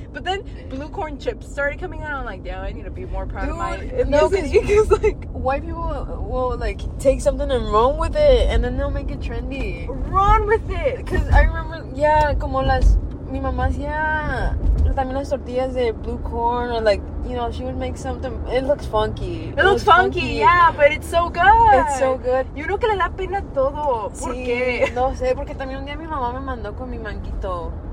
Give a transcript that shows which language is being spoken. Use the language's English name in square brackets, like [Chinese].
[English] But then blue corn chips started coming out. I'm like, damn, I need to be more proud of my... No, because like white people will like take something and run with it and then they'll make it trendy. Run with it. Because I remember, yeah, [Spanish] como las... mi mamá hacía también las tortillas de [English] blue corn, or like, you know, she would make something. It looks funky. It looks funky, yeah, but it's so good. It's so good. [Spanish] Yo creo que le da pena todo. ¿Por qué? No sé, porque también un día mi mamá me mandó con mi manguito.